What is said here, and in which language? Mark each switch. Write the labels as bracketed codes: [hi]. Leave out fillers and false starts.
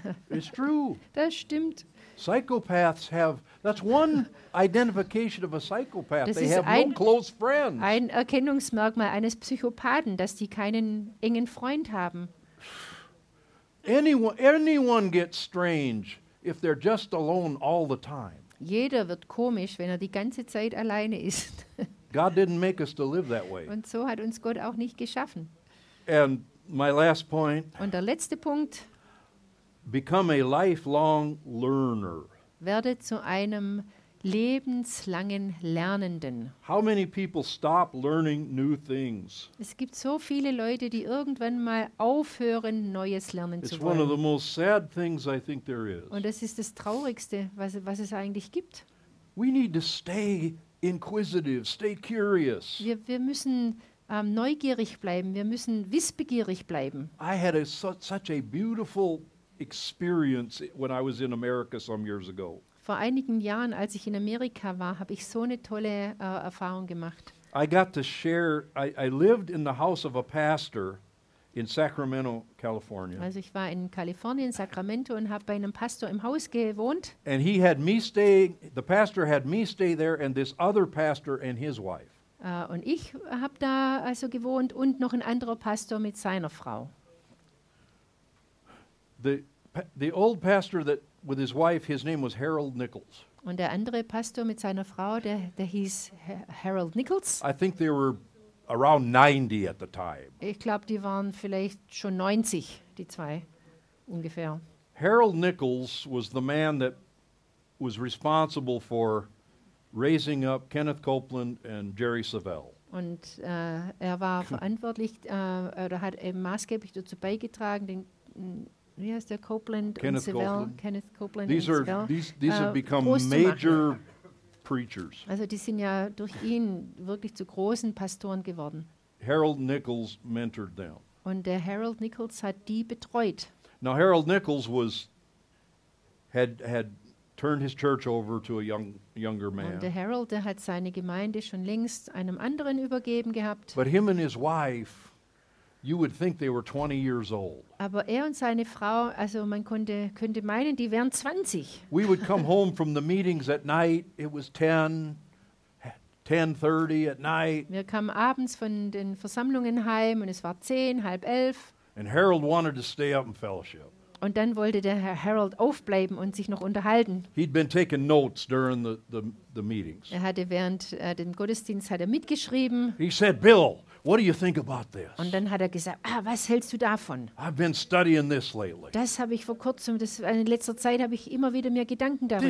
[en] It's true. [de] Das stimmt. [en] Psychopaths have, that's one identification of a psychopath. [de] Das [en] they have no close friends. [de] Ein Erkennungsmerkmal eines Psychopathen, dass die keinen engen Freund haben. [en] Anyone gets strange if they're just alone all the time. [de] Jeder wird komisch, wenn er die ganze Zeit alleine ist. [en] God didn't make us to live that way. [de] Und so hat uns Gott auch nicht geschaffen. [en] And my last point. [de] Und der letzte Punkt. [en] Become a lifelong learner. [de] Werde zu einem lebenslangen Lernenden. [en] How many people stop learning new things? [de] Es gibt so viele Leute, die irgendwann mal aufhören, Neues lernen [en] It's [de] zu wollen. [en] One of the most sad things I think there is. [de] Und das ist das Traurigste, was es eigentlich gibt. [en] We need to stay inquisitive, stay curious. [de] Wir müssen neugierig bleiben, wir müssen wissbegierig bleiben. [en] I had such a beautiful experience when I was in America some years ago. [de] Vor einigen Jahren, als ich in Amerika war, habe ich so eine tolle Erfahrung gemacht. [en] I got to share, I lived in the house of a pastor in Sacramento, California. [de] Also ich war in Kalifornien, Sacramento, und habe bei einem Pastor im Haus gewohnt. [en] And he had me stay, the pastor had me stay there and this other pastor and his wife. [de] Und ich habe da also gewohnt und noch ein anderer Pastor mit seiner Frau. [en] The old pastor that with his wife, his name was Harold Nichols. [de] Und der andere Pastor mit seiner Frau, der hieß Harold Nichols. [en] I think they were around 90 at the time. [de] Ich glaube, die waren vielleicht schon 90, die zwei ungefähr. [en] Harold Nichols was the man that was responsible for raising up Kenneth Copeland and Jerry Savelle. [de] Und er war verantwortlich oder hat eben maßgeblich dazu beigetragen, den wie heißt der Copeland [en] Kenneth [de] und Savelle, [en] Copeland. Kenneth Copeland these [de] und [en] are, [de] Savelle, [en] these have become major preachers. [de] Also die sind ja durch ihn wirklich zu großen Pastoren geworden. [en] Harold Nichols mentored them. [de] Und der Harold Nichols hat die betreut. [en] Now Harold Nichols had turned his church over to a younger man. [de] Und der Harold, der hat seine Gemeinde schon längst einem anderen übergeben gehabt. [en] But him and his wife, you would think they were 20 years old. [de] Aber er und seine Frau, also man könnte meinen, die wären 20. [en] We would come home from the meetings at night. It was 10:30 at night. [de] Wir kamen abends von den Versammlungen heim und es war 10, halb 11. [en] And Harold wanted to stay up and fellowship. [de] Und dann wollte der Herr Harold aufbleiben und sich noch unterhalten. [en] He'd been taking notes during the meetings. [de] Er hatte während dem Gottesdienst hat er mitgeschrieben. [en] He said, Bill, what do you think about this? [de] Und dann hat er gesagt, was hältst du davon? [en] I've been studying this lately. [de] Das habe ich vor kurzem, in letzter Zeit habe ich immer wieder mir Gedanken darüber